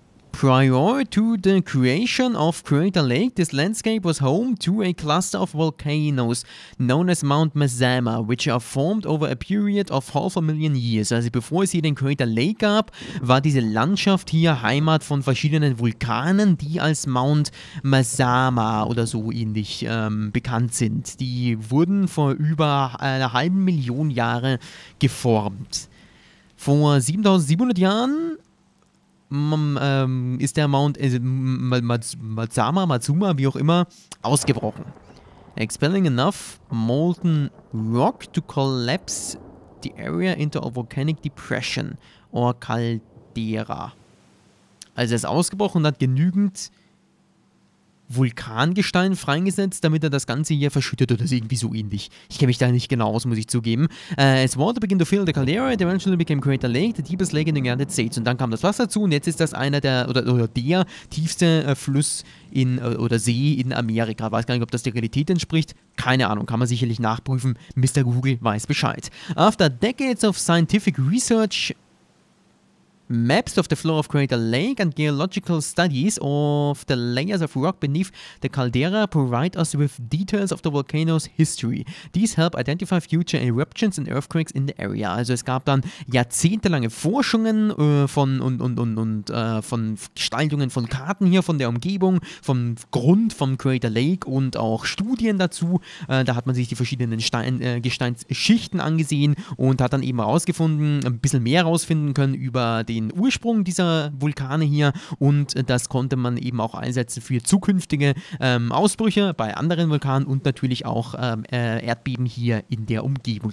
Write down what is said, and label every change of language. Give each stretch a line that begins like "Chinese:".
English: Prior to the creation of Crater Lake, this landscape was home to a cluster of volcanoes known as Mount Mazama, which are formed over a period of 500,000 years.
German: Also bevor es hier den Crater Lake gab, war diese Landschaft hier Heimat von verschiedenen Vulkanen, die als Mount Mazama oder so ähnlich bekannt sind. Die wurden vor über einer 500,000 Jahre geformt. Vor 7700 Jahren... ist der Mount Mazama, wie auch immer, ausgebrochen.
English: Expelling enough molten rock to collapse the area into a volcanic depression or caldera.
German: Also er ist ausgebrochen und hat genügend Vulkangestein freigesetzt, damit er das Ganze hier verschüttet oder irgendwie so ähnlich. Ich kenne mich da nicht genau aus, muss ich zugeben.
English: As water began to fill the caldera, it eventually became Crater Lake, the deepest lake in the United States.
German: Und dann kam das Wasser zu und jetzt ist das einer der, oder der tiefste Fluss in, oder See in Amerika. Weiß gar nicht, ob das der Realität entspricht. Keine Ahnung, kann man sicherlich nachprüfen. Mr. Google weiß Bescheid.
English: After decades of scientific research, maps of the flow of Crater Lake and geological studies of the layers of rock beneath the caldera provide us with details of the volcano's history. These help identify future eruptions and earthquakes in the area.
German: Also es gab dann jahrzehntelange Forschungen von Gestaltungen von Karten hier von der Umgebung, vom Grund vom Crater Lake und auch Studien dazu. Da hat man sich die verschiedenen Gesteinsschichten angesehen und hat dann eben herausgefunden, ein bisschen mehr herausfinden können über den Ursprung dieser Vulkane hier und das konnte man eben auch einsetzen für zukünftige Ausbrüche bei anderen Vulkanen und natürlich auch Erdbeben hier in der Umgebung.